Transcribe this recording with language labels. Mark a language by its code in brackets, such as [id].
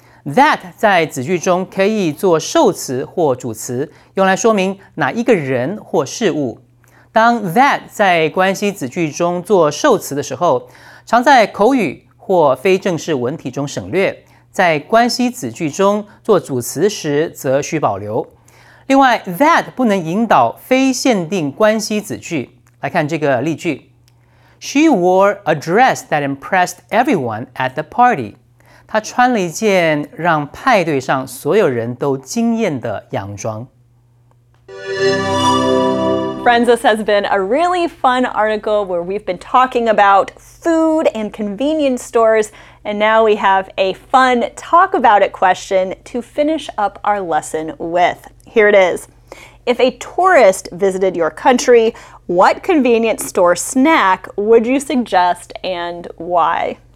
[zh] That 在子句中可以做受词或主词，用来说明哪一个人或事物。当 that 在关系子句中做受词的时候，常在口语或非正式文体中省略，在关系子句中做主词时则需保留。另外 ，that 不能引导非限定关系子句。来看这个例句 [en] ：She wore a dress that impressed everyone at the party. [zh] 她穿了一件让派对上所有人都惊艳的洋装。 [en] Friends, this has been a really fun article where we've been talking about food and convenience stores, and now we have a fun talk about it question to finish up our lesson with. Here it is. If a tourist visited your country, what convenience store snack would you suggest and why?